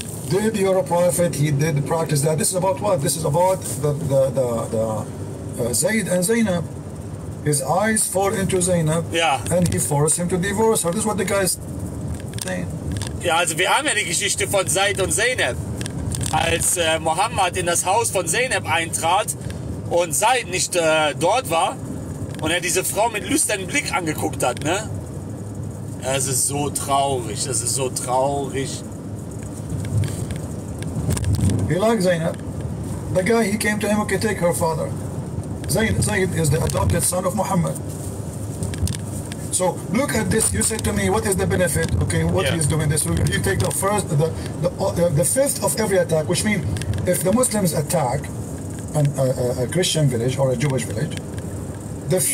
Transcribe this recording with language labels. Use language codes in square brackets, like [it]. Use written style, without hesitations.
[en] Did your prophet, he did practice that. This is about what? This is about the Zayd and Zainab. His eyes fall into Zainab. Yeah. And he forced him to divorce her. This is what the guy is saying. [de] Ja, also wir haben ja die Geschichte von Zayd und Zainab. Als Mohammed in das Haus von Zainab eintrat und Zayd nicht dort war und er diese Frau mit lüsternem Blick angeguckt hat, ne? Es ist so traurig, es ist so traurig. [en] He liked Zainab. The guy, he came to him, okay, take her father. Zayd is the adopted son of Muhammad. So look at this. You said to me, "What is the benefit? Okay, what he is doing this? You take the fifth of every attack, which means if the Muslims attack a Christian village or a Jewish village, the fifth."